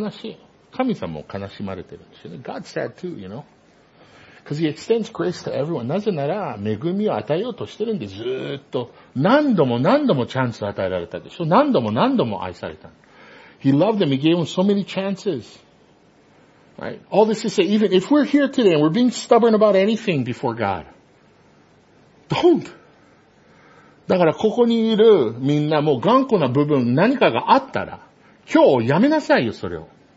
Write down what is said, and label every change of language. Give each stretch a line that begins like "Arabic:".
Japanese: 悲しい。神様も悲しまれてるんですよね。
English: God sad too, you know? Because he extends grace to everyone.
Japanese: なぜなら恵みを与えようとしてるんで、ずっと何度も何度もチャンスを与えられたでしょ。何度も何度も愛された。
English: He loved them. He gave them so many chances. Right? All this to say, even if we're here today and we're being stubborn about anything before God, don't.
Japanese: だからここにいるみんなもう頑固な部分何かがあったら、今日やめなさいよ、それを。